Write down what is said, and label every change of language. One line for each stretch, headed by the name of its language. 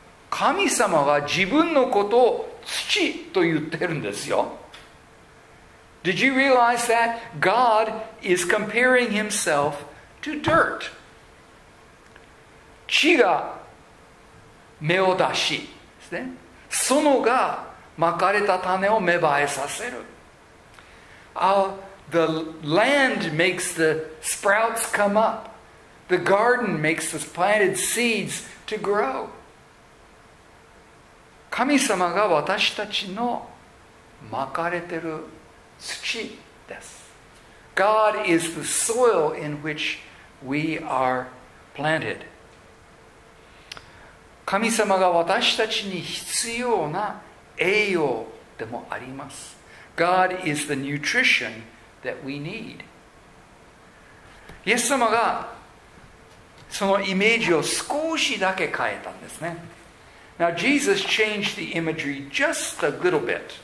Japanese: 神様が自分のことを土と言ってるんですよ。
English: Did you realize that God is comparing himself to dirt?
Japanese: 地が芽を出しですね。園がまかれた種を芽生えさせる。
English: The land makes the sprouts come up. The garden makes the planted seeds to grow.
Japanese: 神様が私たちのまかれてる土です。
English: God is the soil in which we are planted.
Japanese: 神様が私たちに必要な栄養でもあります。
English: God is the nutrition that we need.
Japanese: イエス様がそのイメージを少しだけ変えたんですね。
English: Now Jesus changed the imagery just a little bit.